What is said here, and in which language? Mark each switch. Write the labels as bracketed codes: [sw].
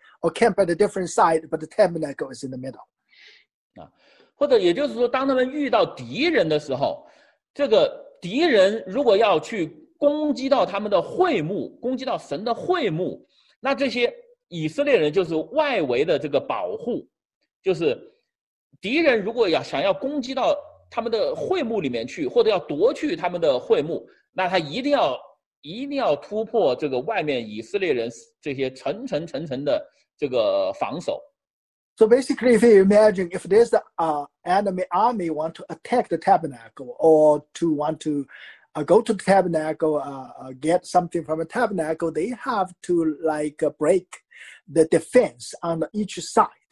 [en] or camp at a different side, but the tabernacle is in the middle. [zh] 或者也就是说，当他们遇到敌人的时候，这个敌人如果要去攻击到他们的会幕，攻击到神的会幕，那这些以色列人就是外围的这个保护，就是敌人如果要想要攻击到他们的会幕里面去，或者要夺去他们的会幕，那他一定要突破这个外面以色列人这些层层的这个防守。 [en] So basically, if you imagine, if there's an enemy army want to attack the tabernacle or to want to go to the tabernacle, get something from a tabernacle, they have to like break the defense on each side.